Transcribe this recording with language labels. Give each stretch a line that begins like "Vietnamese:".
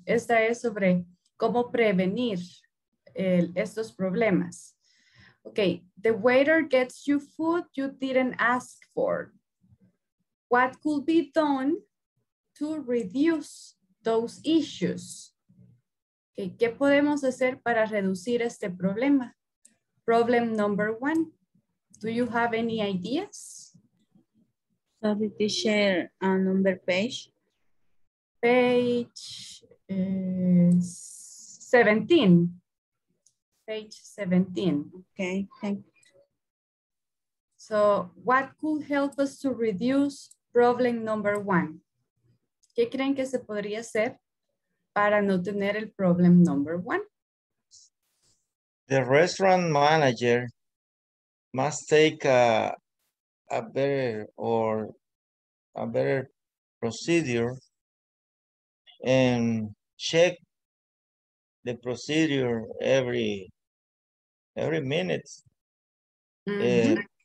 Spanish: Esta es sobre cómo prevenir estos problemas.
English: Okay, the waiter gets you food you didn't ask for. What could be done to reduce those issues?
Spanish: Okay, ¿qué podemos hacer para reducir este problema?
English: Problem number one. Do you have any ideas? Sorry, teacher, number page. Page 17. Page 17. Okay, thank you. So what could help us to reduce problem number one?
Spanish: ¿Qué creen que se podría hacer para no tener el
English: problem number one? The restaurant manager must take a better procedure and check the procedure every minute. Mm-hmm.